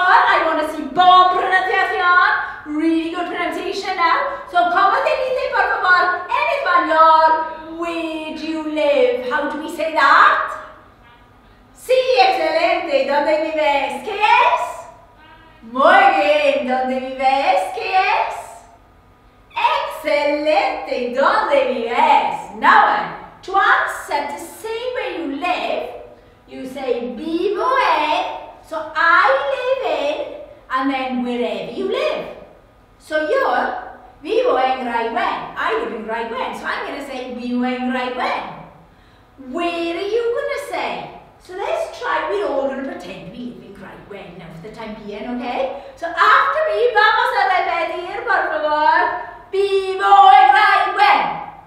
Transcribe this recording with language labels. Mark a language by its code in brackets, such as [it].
[en] I want to see bon pronunciation. Really good pronunciation now. [es] So, ¿cómo se dice, por favor, en español, [en] where do you live? How do we say that? [es] Sí, excelente. ¿Dónde vives? ¿Qué es? Muy bien. ¿Dónde vives? ¿Qué es? Excelente. ¿Dónde vives? [en] Now, to answer, to say where you live, you say, [es] vivo en, [en] so I live in, and then wherever you live. So you're, [es] vivo en [en] Raigüen, I live in Raigüen. So I'm going to say, [es] vivo en [en] Raigüen. Where are you going to say? So let's try, we're all going to pretend we live in Raigüen now for the time being, okay? So after me, [es] vamos a repetir, por favor, vivo en Raigüen.